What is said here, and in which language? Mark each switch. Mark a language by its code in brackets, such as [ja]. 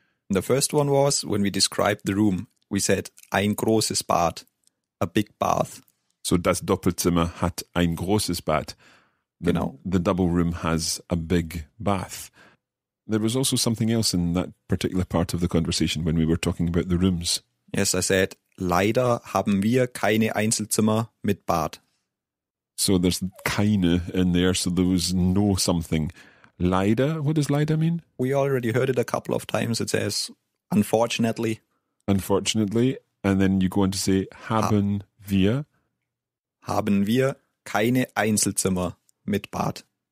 [en] The first one was when we described the room, we said [de] ein großes Bad, [en] a big bath. [de] So das Doppelzimmer hat ein großes Bad. [en] The double room has a big bath. There was also something else in that particular part of the conversation when we were talking about the rooms. Yes, I said, [de] leider haben wir keine Einzelzimmer mit Bad. [en] So there's keine in there, so there was no something. Leider, what does leider mean? We already heard it a couple of times. It says, unfortunately. Unfortunately, and then you go on to say, [de] haben wir. Haben wir keine Einzelzimmer mit Bad.